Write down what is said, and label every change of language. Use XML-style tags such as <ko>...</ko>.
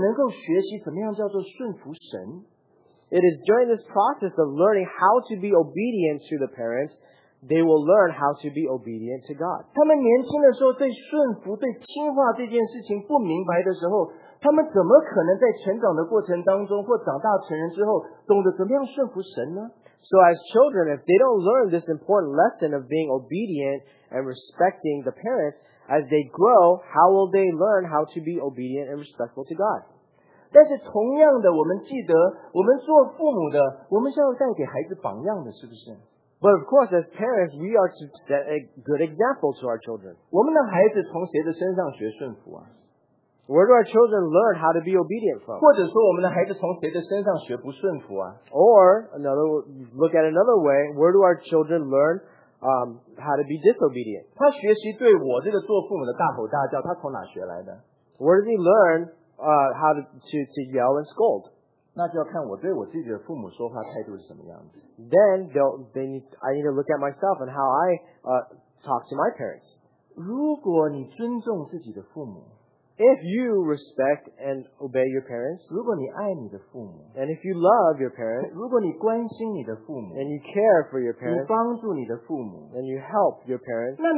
<zh>最重要的是他们在顺服我们的这个学习过程当中，他们能够学习怎么样叫做顺服神。</zh> <en>It is during this process of learning how to be obedient to the parents, they will learn how to be obedient to God.</en> <zh>他们年轻的时候对顺服、对听话这件事情不明白的时候， 他们怎么可能在成长的过程当中或长大成人之后懂得怎么样顺服神呢?</zh> <en>So as children, if they don't learn this important lesson of being obedient and respecting the parents, as they grow, how will they learn how to be obedient and respectful to God?</en> <zh>但是同样的,我们记得,我们做父母的,我们是要带给孩子榜样的,是不是?</zh> <en>But of course, as parents, we are to set a good example to our children.</en> <zh>我们的孩子从谁的身上学顺服啊?</zh> <en>Where do our children learn how to be obedient from?</en> <zh>或者说我们的孩子从谁的身上学不顺服啊?</zh> <en>Or, look at another way, where do our children learn how to be disobedient?</en> <zh>他学习对我这个做父母的大吼大叫,他从哪学来的?</zh> <en>Where does he learn how to yell and scold?</en> <zh>那就要看我对我自己的父母说话态度是什么样子。</zh> <en>Then, I need to look at myself and how I talk to my parents.</en> <zh>如果你尊重自己的父母,</zh> <en>if you respect and obey your parents,</en> <zh>如果你爱你的父母,</zh> <en>and if you love your parents,</en> <zh>如果你关心你的父母,</zh> <en>and you care for your parents,</en> <zh>你帮助你的父母,</zh> <en>and you help your parents,</en>